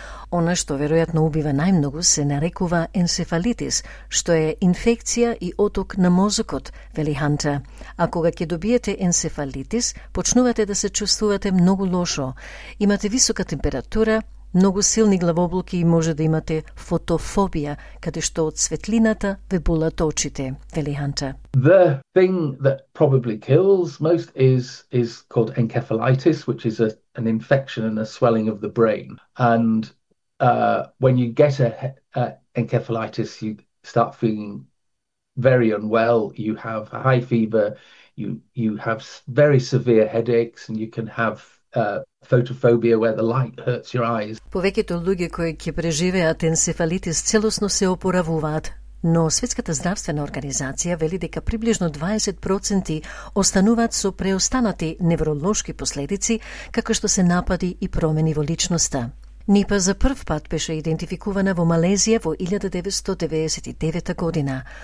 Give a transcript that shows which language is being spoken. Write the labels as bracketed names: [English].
[Macedonian] Она што веројатно убива најмногу се нарекува енцефалитис, што е инфекција и оток на мозокот, вели Ханта. А кога ќе добиете енцефалитис, почнувате да се чувствувате многу лошо. Имате висока температура, Многу силни главоболки и може да имате фотофобија, каде што од светлината ве болат очите, вели Ханта. [English] The thing that probably kills most is called encephalitis, which is an infection and a swelling of the brain. And when you get a encephalitis, you start feeling very unwell, you have a high fever, you have very severe headaches, and you can have photophobia where the light hurts your eyes. [Macedonian] Повеќето луѓе кои ќе преживеат енцефалитис целосно се опоравуваат, но Светската здравствена организација вели дека приближно 20% остануваат со преостанати невролошки последици, како што се напади и промени во личноста. Нипа за прв пат беше идентификувана во Малезија во 1999 година.